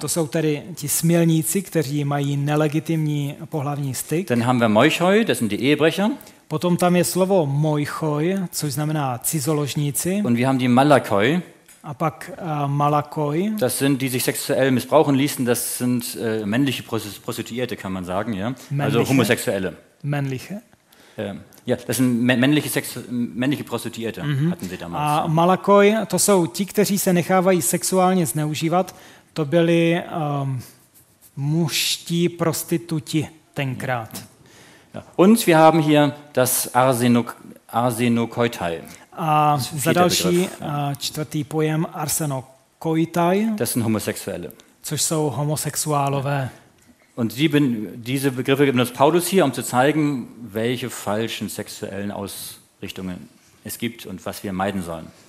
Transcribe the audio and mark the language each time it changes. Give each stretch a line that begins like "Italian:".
Czech: To jsou tedy ti smilníci, kteří mají nelegitimní pohlavní styk.
German: Dann haben wir Moichoi, das sind die Ehebrecher.
Czech: Potom tam je slovo moichoj, což znamená cizoložníci.
German: Und wir haben die Malakoi.
Czech: A pak Malakoi.
German: Das sind die sich sexuell missbrauchen ließen, das sind männliche Prostituierte, kann man sagen, ja. Männliche. Also homosexuelle. Männliche. Ja, das sind männliche Prostituierte, mhm. Hatten sie damals.
Czech: A Malakoi, to jsou ti, kteří se nechávají sexuálně zneužívat, to byli mužští prostituti tenkrát. Mhm.
German: Und wir haben hier das Arsenokoitai.
Czech: Za další čtvrtý pojem Arsenokoitai.
German: Das sind Homosexuelle.
Czech: Což jsou homosexuálové.
German: Und diese Begriffe gibt uns Paulus hier, um zu zeigen, welche falschen sexuellen Ausrichtungen es gibt und was wir meiden sollen.